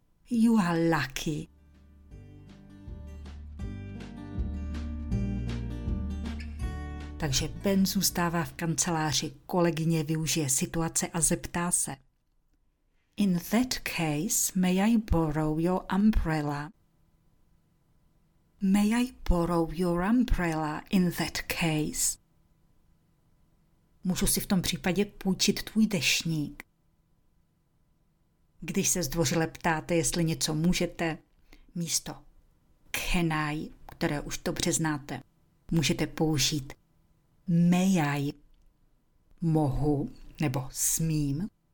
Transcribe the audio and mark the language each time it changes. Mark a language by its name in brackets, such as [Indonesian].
[English] You are lucky. [Czech] Takže Ben zůstává v kanceláři, kolegyně využije situace a zeptá se. [English] In that case, may I borrow your umbrella? May I borrow your umbrella in that case? [Czech] Můžu si v tom případě půjčit tvůj deštník. Když se zdvořile ptáte, jestli něco můžete, místo can I, které už dobře znáte, můžete použít may I, mohu nebo smím.